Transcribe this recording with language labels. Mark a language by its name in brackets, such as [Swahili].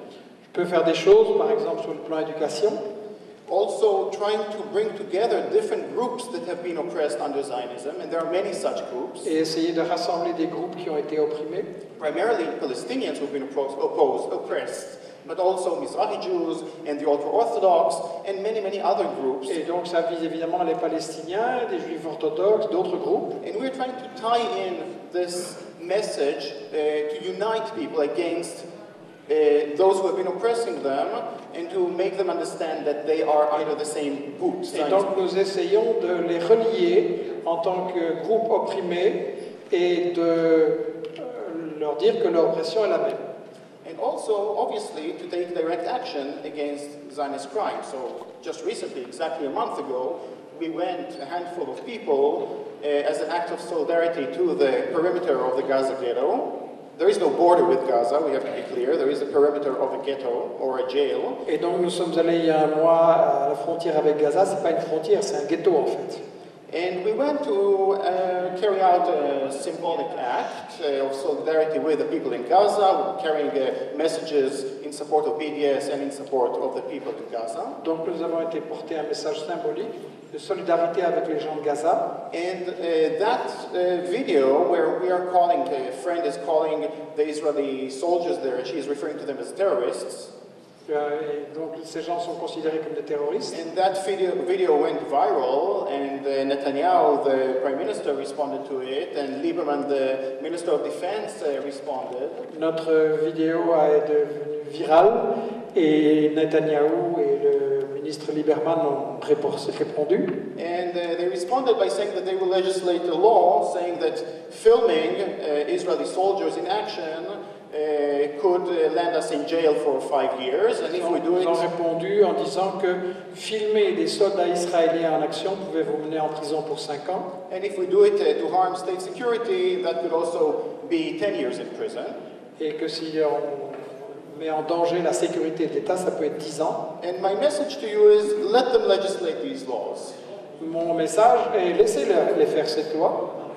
[French] Je peux faire des choses, par exemple sur le plan éducation. [English] Also trying to bring together different groups that have been oppressed under Zionism, and there are many such groups. [French] Et essayer de rassembler des groupes qui ont été opprimés. [English] Primarily Palestinians who have been oppressed, but also Mizrahi Jews and the ultra-Orthodox and many, many other groups. [French] Et donc ça vise évidemment les Palestiniens, des Juifs orthodoxes, d'autres groupes. [English] And we're trying to tie in this message to unite people against those who have been oppressing them and to make them understand that they are under the same boot. [French] Et donc nous essayons de les relier en tant que groupe opprimé et de leur dire que l'oppression est la même. [English] And also, obviously, to take direct action against Zionist crime. So just recently, exactly a month ago, we went, a handful of people, as an act of solidarity to the perimeter of the Gaza ghetto. There is no border with Gaza, we have to be clear. There is a perimeter of a ghetto or a jail. [French] Et donc nous sommes allés il y a un mois à la frontière avec Gaza. C'est pas une frontière, c'est un ghetto en fait. [English] And we went to carry out a symbolic act of solidarity with the people in Gaza, carrying messages in support of BDS and in support of the people in Gaza. [French] Donc nous avons été porter un message symbolique de solidarité avec les gens de Gaza. [English] And that video where we are calling, a friend is calling the Israeli soldiers there, and she is referring to them as terrorists. [French] Donc ces gens sont considérés comme des terroristes. [English] And that video went viral, and Netanyahu, the prime minister, responded to it, and Lieberman, the minister of defense, responded. [French] Notre vidéo est devenue virale, et Netanyahu et le ministre Lieberman ont répondu. [English] And they responded by saying that they will legislate a law saying that filming Israeli soldiers in action could land us in jail for 5 years, and if we do it, [French] ils ont répondu en disant que filmer des soldats israéliens en action pouvait vous mener en prison pour 5 ans. [English] And if we do it to harm state security, that could also be 10 years in prison. [French] Et que si on met en danger la sécurité de l'État, ça peut être 10 ans. [English] And my message to you is, let them legislate these laws. [French] Mon message est, laissez-les les faire cette loi.